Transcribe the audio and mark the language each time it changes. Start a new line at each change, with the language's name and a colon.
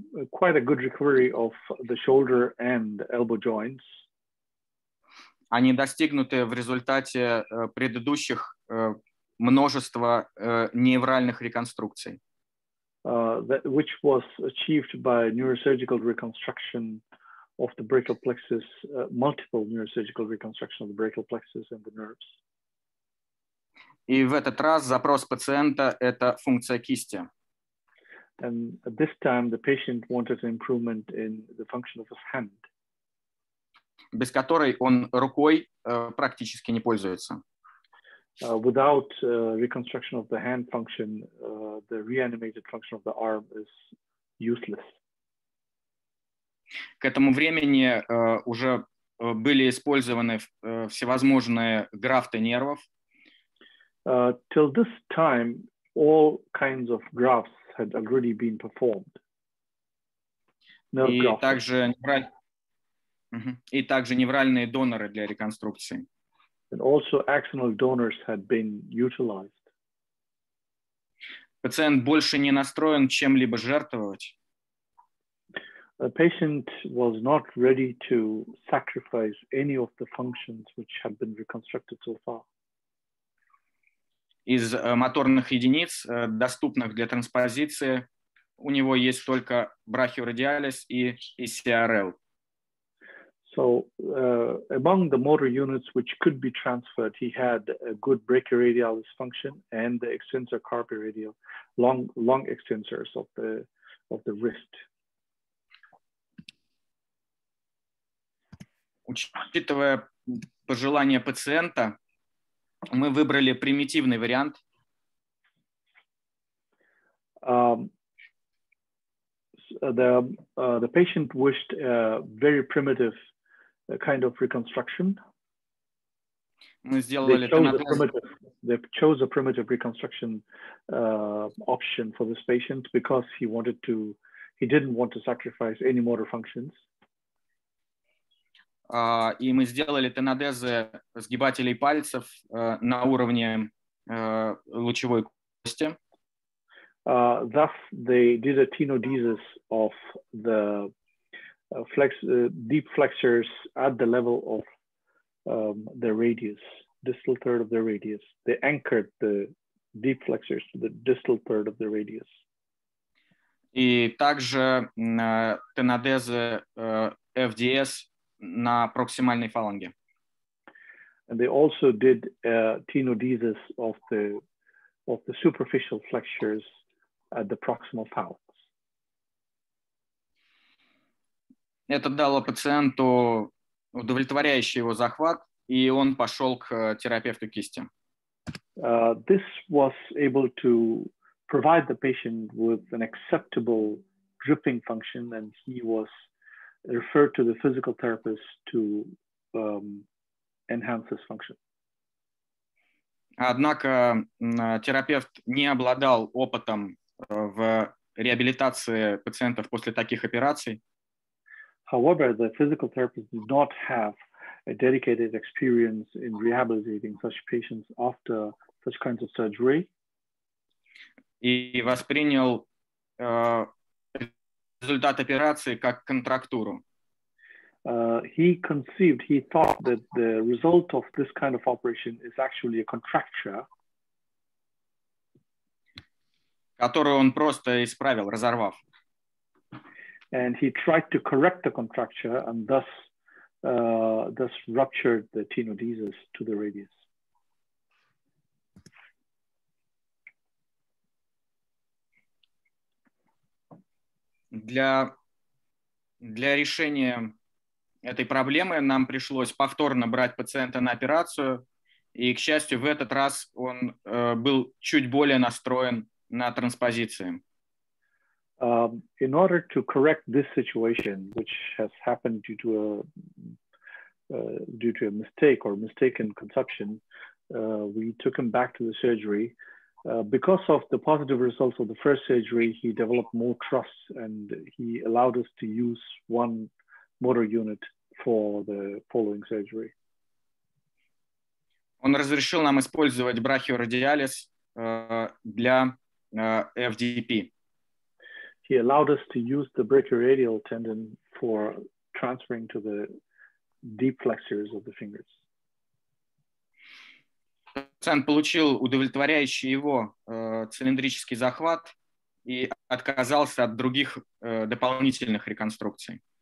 English: quite a good recovery of the shoulder and elbow joints.
Russian: Они достигнуты в результате предыдущих множества невральных реконструкций.
English: Which was achieved by neurosurgical reconstruction of the brachial plexus, multiple neurosurgical reconstruction of the brachial plexus and the nerves.
Russian: И в этот раз запрос пациента – это функция кисти.
English: And at this time, the patient wanted an improvement in the function of his hand.
Russian: Без которой он рукой практически не пользуется.
English: Without reconstruction of the hand function, the reanimated function of the arm is useless.
Russian: К этому времени уже были использованы всевозможные графты нервов.
English: Till this time, all kinds of grafts had already been performed.
Russian: И также невральные доноры для реконструкции.
English: And also axonal donors had been utilized.
Russian: Пациент больше не настроен чем-либо жертвовать.
English: The patient was not ready to sacrifice any of the functions which had been reconstructed so far.
Russian: Из моторных единиц, доступных для транспозиции, у него есть только брахиорадиалис и ACRL.
English: So, among the motor units which could be transferred, he had a good brachioradialis function and the extensor carpi radial, long extensors of the wrist.
Russian: Учитывая пожелания пациента, мы выбрали примитивный вариант.
English: The patient wished a very primitive kind of reconstruction.
Russian: Мы сделали
English: they chose a primitive reconstruction option for this patient because he didn't want to sacrifice any motor functions.
Russian: И мы сделали тенодезы сгибателей пальцев на уровне лучевой кости.
English: Thus, they did a tenodesis of the deep flexors at the level of the radius, distal third of the radius. They anchored the deep flexors to the distal third of the radius.
Russian: И также тенодезы FDS на проксимальной фаланге.
English: And they also did tenodesis of the superficial flexures at the proximal phalanx.
Russian: Это дало пациенту удовлетворяющий его захват, и он пошел к терапевту кисти.
English: This was able to provide the patient with an acceptable gripping function, and he was refer to the physical therapist to enhance his function.
Russian: Однако терапевт не обладал опытом в реабилитации пациентов после таких операций.
English: However, the physical therapist did not have a dedicated experience in rehabilitating such patients after such kinds of surgery.
Russian: И воспринял результат операции как контрактуру.
English: He thought that the result of this kind of operation is actually a contracture,
Russian: которую он просто исправил, разорвав.
English: And he tried to correct the contracture and thus ruptured the tenodesis to the radius.
Russian: Для решения этой проблемы нам пришлось повторно брать пациента на операцию, и, к счастью, в этот раз он был чуть более настроен на транспозиции.
English: In order to correct this situation, which has happened due to a mistake or mistaken conception, we took him back to the surgery. Because of the positive results of the first surgery, he developed more trust and he allowed us to use one motor unit for the following surgery.
Russian: Он разрешил нам использовать брахиорадиалис для FDP.
English: he allowed us to use the brachioradial tendon for transferring to the deep flexors of the fingers.
Russian: Пациент получил удовлетворяющий его цилиндрический захват и отказался от других дополнительных реконструкций.